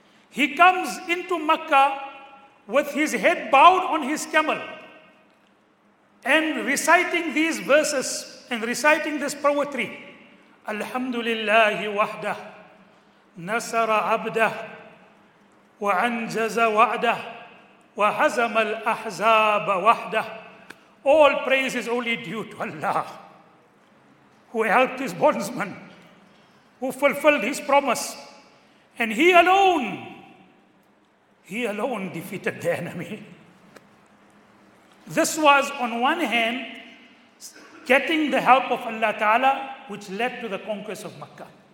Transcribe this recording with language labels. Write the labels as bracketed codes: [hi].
[en] He comes into Makkah with his head bowed on his camel and reciting these verses, and reciting this poetry, [ar] Alhamdulillahi wahdah, nasara abdah, وأنجز وعده وهزم الأحزاب وحده. [en] All praise is only due to Allah, who helped his bondsman, who fulfilled his promise, and he alone defeated the enemy. This was, on one hand, getting the help of Allah Ta'ala, which led to the conquest of Makkah.